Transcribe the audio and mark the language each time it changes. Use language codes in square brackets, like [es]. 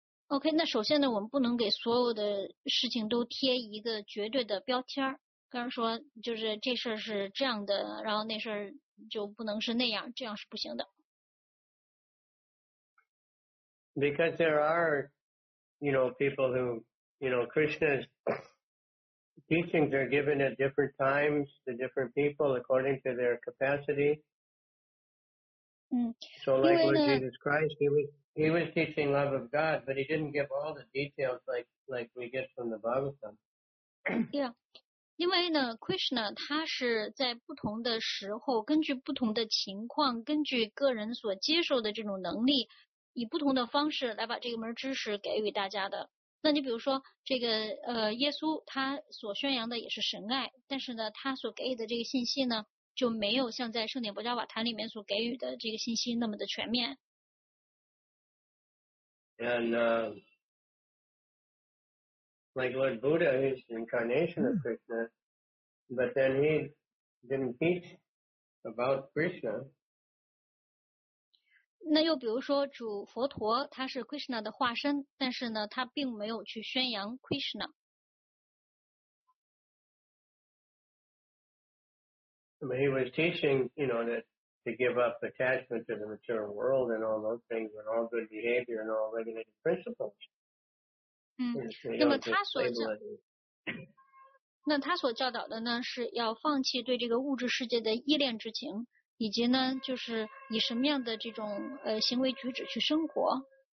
[zh] OK, 那首先呢，我们不能给所有的事情都贴一个绝对的标签儿。刚刚说就是这事儿是这样的，然后那事儿就不能是那样，这样是不行的。 [en] Because there are, you know, people who, you know, Krishna's teachings are given at different times to different people according to their capacity. So like with Jesus Christ, he was teaching love of God, but he didn't give all the details like we get from the Bhagavatam. Yeah. [zh] 因为呢 ,Krishna, 他是在不同的时候根据不同的情况根据个人所接受的这种能力以不同的方式来把这个门知识给予大家的。那你比如说这个耶稣他所宣扬的也是神爱但是呢他所给予的这个信息呢就没有像在圣典伯加瓦坛里面所给予的这个信息那么的全面。 [en] And, like Lord Buddha, he's the incarnation of Krishna, but then he didn't teach about Krishna. [zh] 那又比如说主佛陀他是 Krishna 的化身但是呢他并没有去宣扬 Krishna。 [en] But he was teaching, you know, to give up attachment to the material world and all those things and all good behavior and all regulated principles. [zh] 那么他所教，那他所教导的呢，是要放弃对这个物质世界的依恋之情，以及呢，就是以什么样的这种行为举止去生活。